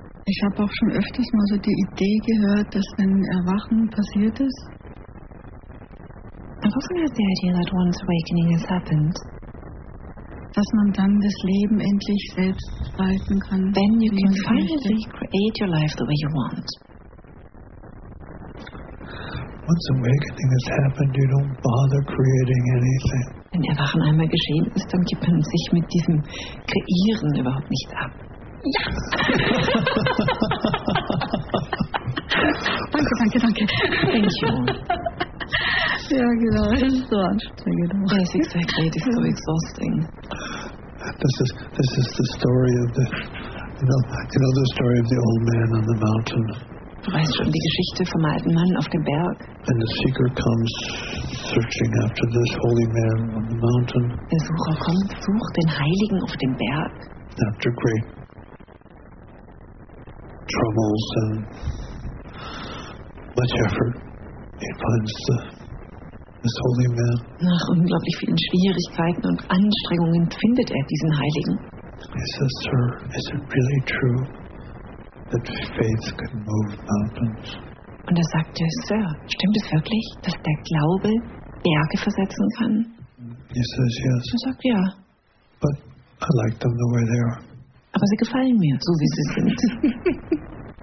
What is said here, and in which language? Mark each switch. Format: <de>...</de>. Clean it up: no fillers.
<de>Ich habe auch schon öfters mal so die Idee gehört, dass ein Erwachen passiert ist.</de> <en>I've often heard the idea that once awakening has happened,</en> <de>dass man dann das Leben endlich selbst gestalten kann.</de> <en>Then you can finally create your life the way you want. Once awakening has happened, you don't bother creating anything.</en> <de>Wenn Erwachen einmal geschehen ist, dann gibt man sich mit diesem Kreieren überhaupt nichts ab. Ja. Danke, danke, danke.</de> <en>Thank you.</en> <de>Ja, genau. Das ist so anstrengend. Das ist</de> <en>exactly. It is so exhausting. This is the story of the, you know the story of the old man on the mountain.</en> <de>Du weißt schon die Geschichte vom alten Mann auf dem Berg.</de> <en>And the seeker comes searching after this holy man on the mountain.</en> <de>Der Sucher kommt, sucht den Heiligen auf dem Berg.</de> <en>After great troubles and much effort, he finds this holy man.</en> <de>Nach unglaublich vielen Schwierigkeiten und Anstrengungen findet diesen Heiligen.</de> <en>He says, "Sir, is it really true that faith can move mountains?"</en> <de>Und sagte, "Sir, stimmt es wirklich, dass der Glaube Berge versetzen kann?"</de> <en>He says, "Yes."</en> <de>Sagt, ja.</de> <en>"But I like them the way they are."</en> <de>Aber sie gefallen mir, so wie sie sind.</de>